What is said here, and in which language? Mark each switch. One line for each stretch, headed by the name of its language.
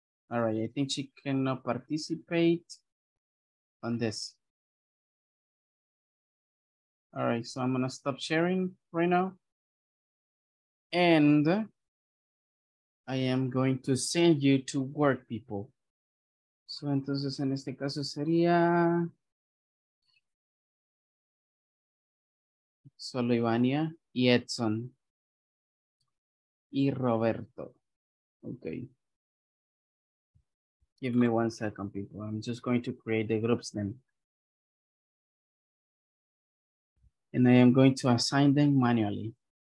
English: All right, I think she cannot participate on this. All right, so I'm gonna stop sharing right now. And I am going to send you to work, people. So
Spanish: entonces en este caso sería solo Ivania y Edson y Roberto.
English: Okay. Give me one second, people. I'm just going to create the groups then. And I am going to assign them manually.